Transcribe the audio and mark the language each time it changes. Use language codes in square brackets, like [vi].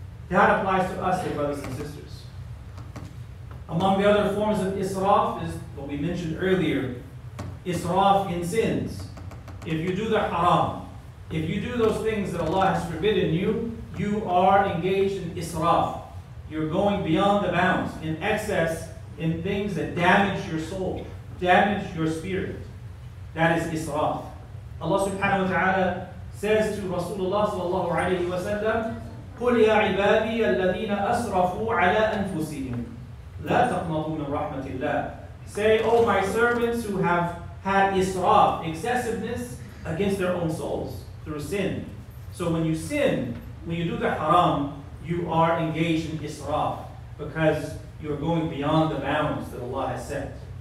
[en] That applies to us, dear brothers and sisters. Among the other forms of israf is what we mentioned earlier, israf in sins. If you do the haram, if you do those things that Allah has forbidden you, you are engaged in israf. You're going beyond the bounds, in excess, in things that damage your soul, damage your spirit. That is israf. Allah subhanahu wa ta'ala says to Rasulullah sallallahu alayhi wa sallam, [ar] قُلْ يَا عِبَادِيَ الَّذِينَ أَسْرَفُوا عَلَىٰ أَنفُسِهِمْ لَا تَقْنَطُوا مِنْ رَحْمَةِ اللَّهِ. [en] Say, O my servants who have had israf, excessiveness, against their own souls through sin. So when you sin, when you do the haram, you are engaged in israf because you're going beyond the bounds that Allah has set.